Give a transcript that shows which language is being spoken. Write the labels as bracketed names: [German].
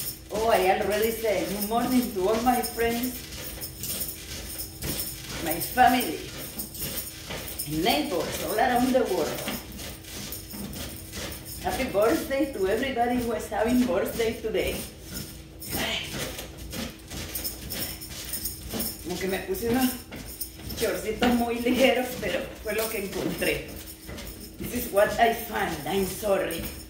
[English] Oh, I already said good morning to all my friends, my family, neighbors all around the world. Happy birthday to everybody who is having birthday today. [Spanish] Como que me puse unos shortsitos muy ligeros, pero fue lo que encontré. [English] This is what I found, I'm sorry.